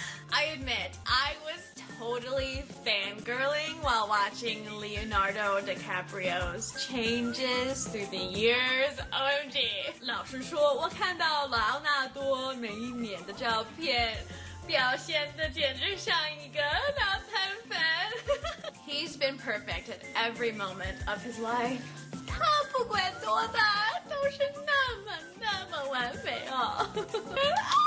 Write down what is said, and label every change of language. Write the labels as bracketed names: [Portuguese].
[English] I admit, I was totally fangirling while watching Leonardo DiCaprio's Changes Through the Years. OMG! [Chinese] 老实说，我看到劳纳多每一年的照片，表现得简直像一个脑残粉。 [English] He's been perfect at every moment of his life. [Chinese] 他不管多大都是那么那么完美哦。